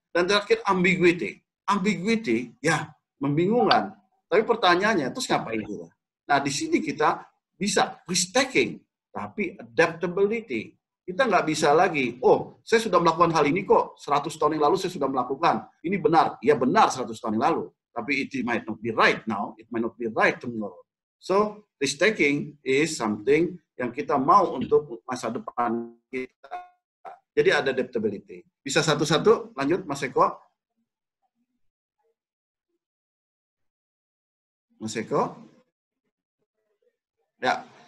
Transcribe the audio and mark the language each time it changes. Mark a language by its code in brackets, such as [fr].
[id] Dan terakhir ambiguity. Ambiguity, ya, membingungkan. Tapi pertanyaannya, terus ngapain kita? Nah, di sini kita bisa risk taking, tapi adaptability. Kita nggak bisa lagi, oh, saya sudah melakukan hal ini kok, 100 tahun yang lalu saya sudah melakukan. Ini benar, ya benar 100 tahun yang lalu. Tapi [en] it might not be right now, it might not be right tomorrow. So, risk taking is something [id] yang kita mau untuk masa depan kita. Jadi ada adaptability. Bisa satu-satu lanjut, Mas Eko? Mas Eko? Ya.